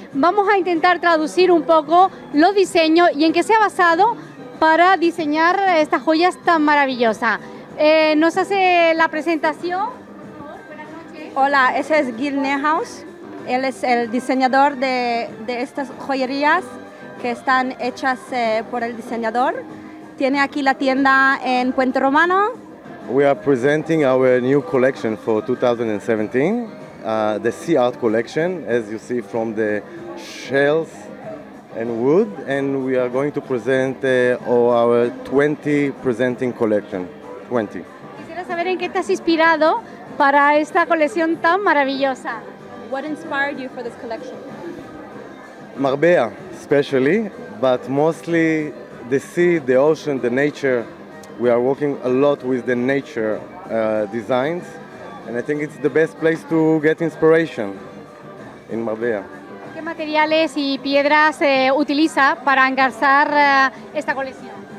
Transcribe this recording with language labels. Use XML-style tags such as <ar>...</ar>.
<es>Vamos a intentar traducir un poco los diseños y en qué se ha basado para diseñar estas joyas tan maravillosas. Nos hace la presentación. Hola, ese es Gil Nehaus. Él es el diseñador de estas joyerías que están hechas por el diseñador. Tiene aquí la tienda en Puente Romano.</es> <en>We are presenting our new collection for 2017, the Sea Art collection, as you see from the shells and wood, and we are going to present our 20 presenting collection. 20.</en> <es>Quisiera saber en qué te has inspirado para esta colección tan maravillosa.</es> <en>What inspired you for this collection? Marbella, especially, but mostly the sea, the ocean, the nature. We are working a lot with the nature designs, and I think it's the best place to get inspiration in Marbella.</en> <es>¿Qué materiales y piedras utiliza para engarzar esta colección?</es>